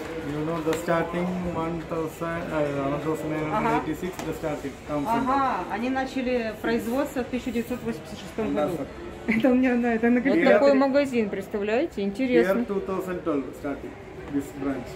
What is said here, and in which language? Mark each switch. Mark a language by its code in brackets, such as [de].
[en] You know the starting 1986 the starting comes. [ru] Ага, они начали производство в 1986 году. Это у меня на это на вот такой магазин, представляете? Интересно. [en] Year 2012 starting this branch.